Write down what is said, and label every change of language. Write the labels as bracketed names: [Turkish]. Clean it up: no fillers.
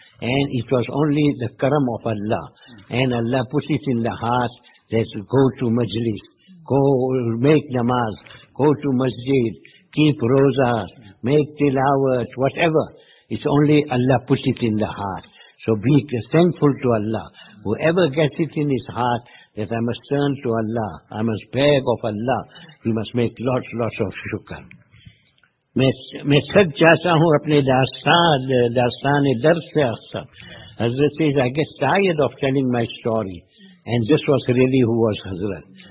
[English] And it was only the karam of Allah. And Allah puts it in the heart, let's go to majlis, go make namaz, go to masjid, keep rozas, make tilawat, whatever. It's only Allah puts it in the heart. So be thankful to Allah. Whoever gets it in his heart that I must turn to Allah, I must beg of Allah, he must make lots of shukr. [Urdu] میں تھک جاتا ہوں اپنے داستان درد سے اکثر. [English] حضرت says, I get tired of telling my story. And this was really who was Hazrat.